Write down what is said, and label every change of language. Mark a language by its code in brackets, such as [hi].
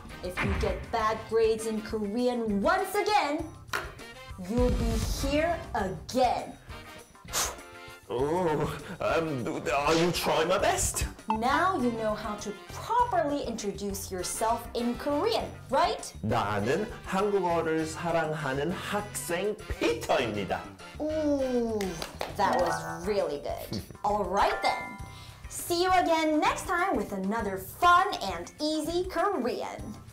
[en] If you get bad grades in Korean once again, you'll be here again. Oh, I will try my best. Now you know how to properly introduce yourself in Korean, right? [ko] 나는 한국어를 사랑하는 학생 피터입니다. [en] Ooh, that was really good. All right then. See you again next time with another fun and easy Korean.